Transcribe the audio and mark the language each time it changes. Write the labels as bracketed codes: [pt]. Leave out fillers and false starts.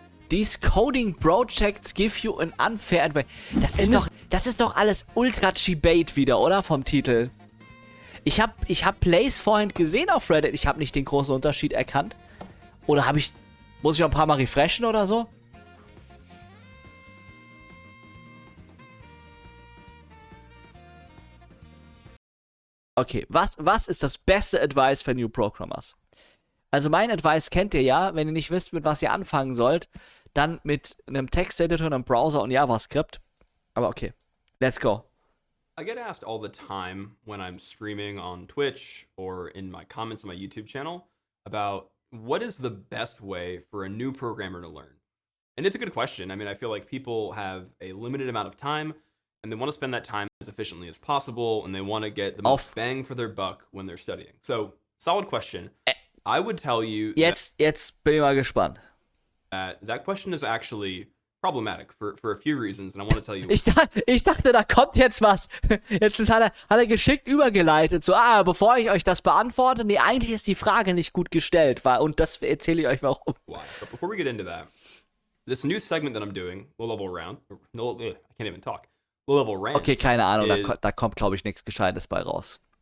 [en] These coding projects give you an unfair advantage. [de] Das ist doch alles ultra chibate wieder, oder? Vom Titel. Ich hab Plays vorhin gesehen auf Reddit. Ich habe nicht den großen Unterschied erkannt. Oder habe ich. Muss ich noch ein paar Mal refreshen oder so? Okay, was ist das beste Advice für New Programmers? Also mein Advice kennt ihr ja, wenn ihr nicht wisst, mit was ihr anfangen sollt, dann mit einem Texteditor, einem Browser und JavaScript. Aber okay, [en] let's go. I get asked all the time when I'm streaming on Twitch or in my comments on my YouTube channel about what is the best way for a new programmer to learn. And it's a good question. I mean, I feel like people have a limited amount of time and they want to spend that time as efficiently as possible, and they want to get the most bang for their buck when they're studying. So, solid question. I would tell you... [de] Jetzt bin ich mal gespannt. [en] That question is actually problematic for a few reasons, and I want to tell you... [de] ich dachte, da kommt jetzt was. Jetzt hat er geschickt übergeleitet. So, bevor ich euch das beantworte, nee, eigentlich ist die Frage nicht gut gestellt, und das erzähle ich euch warum. [en] Why? But before we get into that, this new segment that I'm doing, low-level round... I can't even talk. Level rants, [de] okay, keine Ahnung, da kommt, glaube ich, nichts Gescheites bei raus.